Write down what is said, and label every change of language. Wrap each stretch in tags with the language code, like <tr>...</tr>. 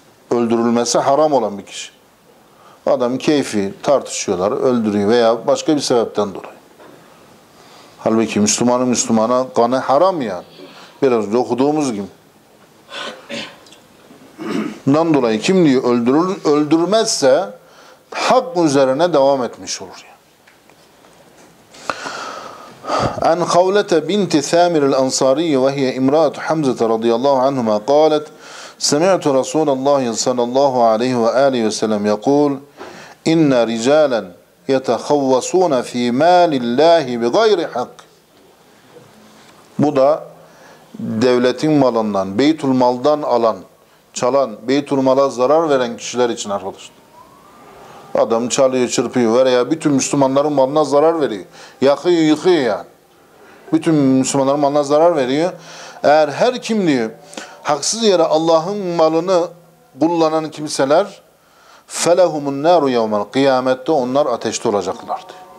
<tr>Öldürülmesi haram olan bir kişi. Adam keyfi tartışıyorlar, öldürüyor veya başka bir sebepten dolayı. Halbuki Müslümanın Müslümana kanı haram yani. Biraz önce okuduğumuz gibi. Bundan dolayı kim diyor öldürmezse hak üzerine devam etmiş olur yani.</tr> <ar>عن خولة بنت ثامر الأنصاري وهي امرأة حمزة رضي الله عنهما قالت سمعت رسول الله صلى الله عليه وآله وسلم يقول إن رجالا يتخوصون في مال الله بغير حق</ar> <tr>Bu da devletin malından, beytul maldan alan, çalan, beytul mala zarar veren kişiler için arkadaşlar. Adam çalıyor, çırpıyor veya bütün Müslümanların malına zarar veriyor. Yakıyor, yıkıyor yani. Bütün Müslümanların malına zarar veriyor. Eğer her kim diyor haksız yere Allah'ın malını kullanan kimseler</tr> <ar>felehumun naru yevmel kıyamette</ar> <tr>onlar ateşte olacaklar diyor.</tr>